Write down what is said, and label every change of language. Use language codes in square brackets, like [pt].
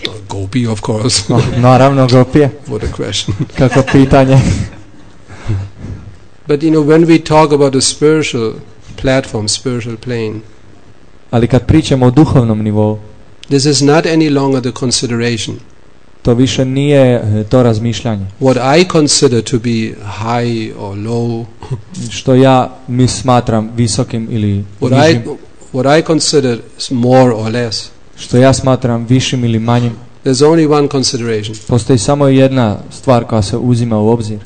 [en] Gopi, of course. [hr] No, naravno, gopije. [en] What a question. [hr] Kako pitanje. [en] But you know, when we talk about a spiritual platform, spiritual plane, [hr] ali kad pričamo o duhovnom nivou, [en] this is not any longer the consideration. [hr] To više nije to razmišljanje. [en] What I consider to be high or low, [hr] što ja mi smatram visokim ili nižim, [en] what I consider is more or less, [hr] što ja smatram višim ili manjim, [en] there's only one consideration. [hr] Postoji samo jedna stvar koja se uzima u obzir.